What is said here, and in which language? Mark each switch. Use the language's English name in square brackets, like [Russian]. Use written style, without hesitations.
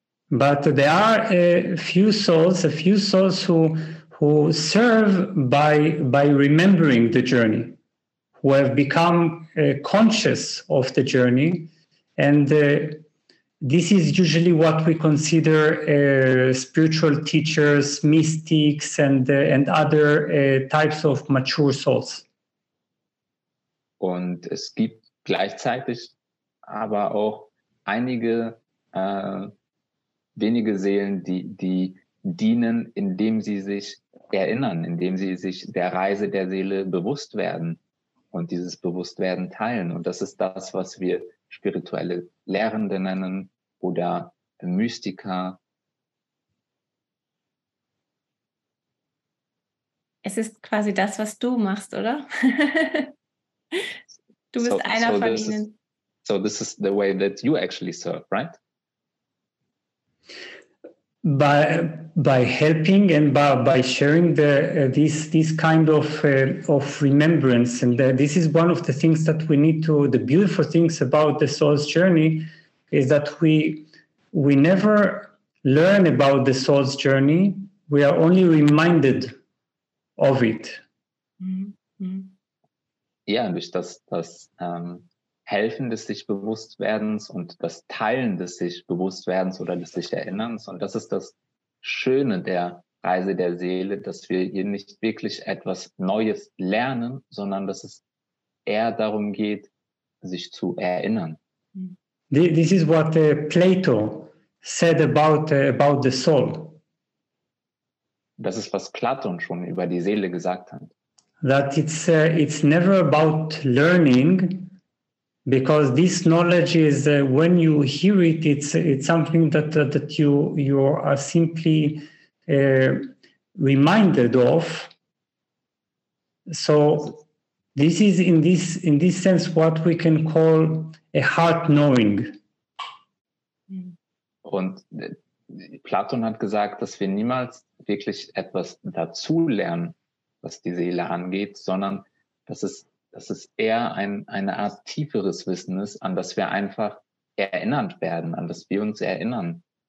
[English] But there are a few souls who serve by remembering the journey, who have become conscious of the journey, and this is usually what we consider spiritual teachers, mystics, and other types of mature souls. [German] Und es gibt gleichzeitig aber auch einige wenige Seelen, die dienen, indem sie sich erinnern, indem sie sich der Reise der Seele bewusst werden und dieses Bewusstwerden teilen. Und das ist das, was wir spirituelle Lehrende nennen oder Mystiker. Es ist quasi das, was du machst, oder? Du bist einer von ihnen. [English] So this is the way that you actually serve, right? By helping and by sharing this kind of remembrance, and this is one of the things that we need to. The beautiful things about the soul's journey is that we never learn about the soul's journey. We are only reminded of it. Mm-hmm. [German] Yeah, durch das Helfen des Sich-Bewusst-Werdens und das Teilen des Sich-Bewusst-Werdens oder des Sich-Erinnerns. Und das ist das Schöne der Reise der Seele, dass wir hier nicht wirklich etwas Neues lernen, sondern dass es eher darum geht, sich zu erinnern. [English] This is what Plato said about the soul. [German] Das ist, was Platon schon über die Seele gesagt hat. [English] That it's never about learning, because this knowledge is when you hear it, it's something that you are simply reminded of. So this is in this sense what we can call a heart knowing. [German] Und Platon hat gesagt, dass wir niemals wirklich etwas dazu lernen, was die Seele angeht, sondern dass es eher eine Art tieferes Wissen ist, an das wir einfach erinnert werden, an das wir uns erinnern.